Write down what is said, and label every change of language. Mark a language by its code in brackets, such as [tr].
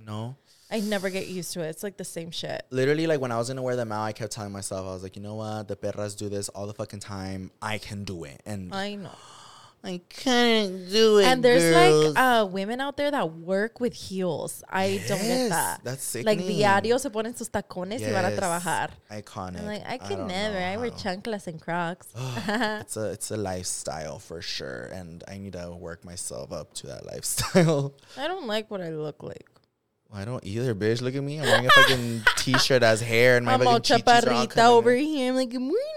[en] No. I never get used to it. It's like the same shit. Literally, like, when I was going to wear them out, I kept telling myself, I was like, you know what? The perras do this all the fucking time. I can do it. And I know. I can't do it. And there's girls. Like women out there that work with heels. I yes, don't get that. That's sick. [es] Like diario se ponen sus tacones yes. Y van a trabajar. [en] Iconic. I'm like, I can I never. I wear chanclas and Crocs. it's a lifestyle for sure. And I need to work myself up to that lifestyle. I don't like what I look like. Well, I don't either, bitch. Look at me. I'm wearing a fucking t-shirt as hair and my I'm fucking chichis are all coming. Over here. I'm like, good morning.